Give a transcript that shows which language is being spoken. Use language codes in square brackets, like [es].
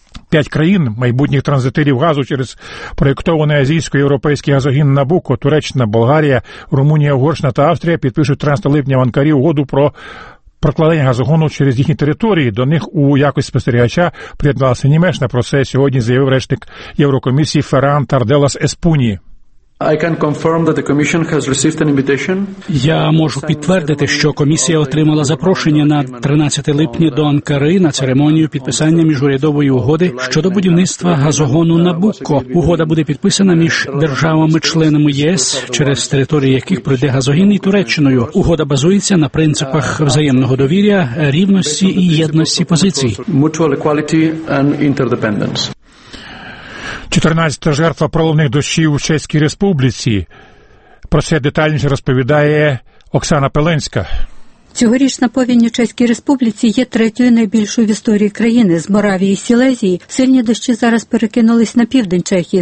[uk] 5 країн майбутніх транзитерів газу через проєктований азійсько-європейський газогін Набуко, Туреччина, Болгарія, Румунія, Угорщина та Австрія підпишуть 13 липня в Анкарі угоду про прокладення газогону через їхні території. До них у якості спостерігача приєдналася Німеччина. Про це сьогодні заявив речник Єврокомісії Ферран Тарделас Еспуні. [en] I can confirm that the commission has received an invitation. [uk] Я можу підтвердити, що комісія отримала запрошення на 13 липня до Анкари на церемонію підписання міжурядової угоди щодо будівництва газогону Набуко. Угода буде підписана між державами-членами ЄС, через території яких пройде газогін, і Туреччиною. Угода базується на принципах взаємного довір'я, рівності і єдності позицій. [en] Mutual equality and interdependence. [uk] 14-та жертва проливних дощів у Чеській Республіці. Про це детальніше розповідає Оксана Пеленська. Цьогорічна повінь у Чеській Республіці є третьою найбільшою в історії країни. З Моравії і Сілезії сильні дощі зараз перекинулись на південь Чехії.